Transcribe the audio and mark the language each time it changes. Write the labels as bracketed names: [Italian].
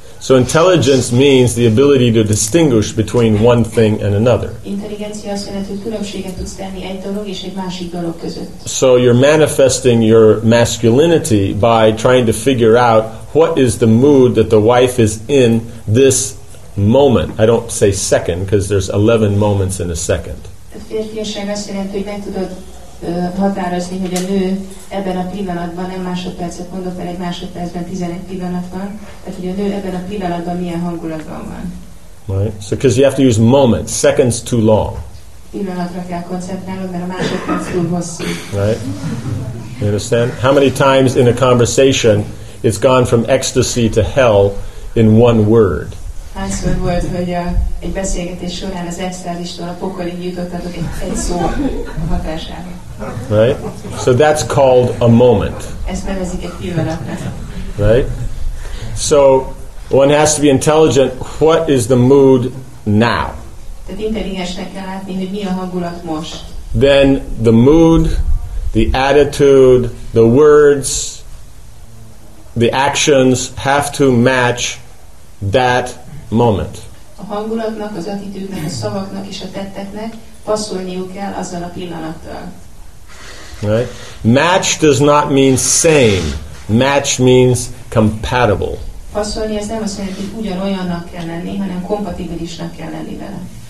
[English] So intelligence means the ability to distinguish between one thing and another. [Hungarian] Intelligencia azt jelenti, hogy különbséget tudsz tenni egy dolog és egy másik dolog között. [English] So you're manifesting your masculinity by trying to figure out what is the mood that the wife is in this moment. I don't say second because there's 11 moments in a second. [Hungarian] Férfiasság azt jelenti, hogy meg tudod határozni, hogy a nő ebben a pillanatban nem másodpercet mondott, mert egy másodpercben 11 pillanat van, tehát hogy a nő ebben a pillanatban milyen hangulatban van. [English] Right. So because you have to use moments, seconds too long. [Hungarian] Pillanatra kell koncentrálnod, mert a másodperc túl hosszú. [English] Right. You understand? How many times in a conversation it's gone from ecstasy to hell in one word? [Hungarian] Hányszor volt, hogy egy beszélgetés során az extázistól a pokolig jutottatok egy szó hatására. [English] Right? So that's called a moment. [Hungarian] Ezt nevezik egy pillanatnak. [English] Right? So one has to be intelligent. What is the mood now? [Hungarian] Tehát intelligensnek kell látni, hogy mi a hangulat most. [English] Then the mood, the attitude, the words, the actions have to match that moment. [Hungarian] A hangulatnak, az attitűdnek, a szavaknak és a tetteknek passzolniuk kell azzal a pillanattal. [English] Right? Match does not mean same. Match means compatible. [Hungarian] Passzolni az nem azt jelenti, hogy ugyanolyannak kell lenni, hanem kompatibilisnak kell lenni vele.